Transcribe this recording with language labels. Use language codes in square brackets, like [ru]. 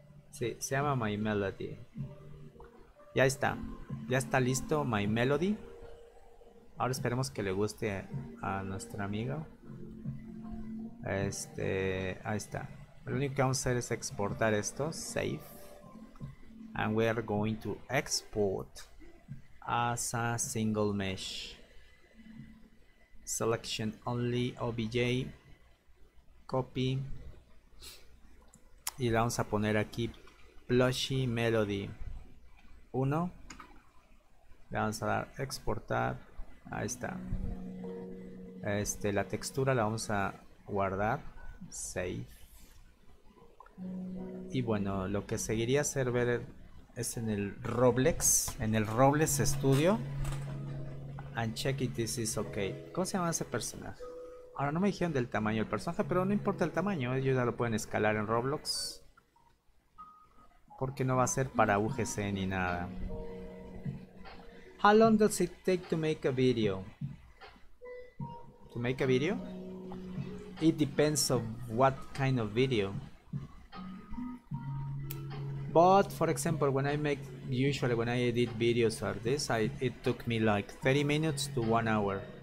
[es] Sí, se llama My Melody. Ya está. Ya está listo My Melody. Ahora esperemos que le guste a nuestro amigo. Ahí está. Lo único que vamos a hacer es exportar esto. [en] Save. And we are going to export as a single mesh. Selection only OBJ. Copy. [es] Y le vamos a poner aquí Plushy Melody 1. Le vamos a dar exportar. Ahí está. La textura la vamos a guardar. Save. Y bueno, lo que seguiría ser ver es en el Roblex. En el Roblex Studio. [en] And check if this is okay. [es] ¿Cómo se llama ese personaje? Ahora no me dijeron del tamaño del personaje, pero no importa el tamaño. Ellos ya lo pueden escalar en Roblox. Porque no va a ser para UGC ni nada. [en] How long does it take to make a video? To make a video? It depends on what kind of video. But for example, when I make, usually when I edit videos or this, it took me like 30 minutes to 1 hour.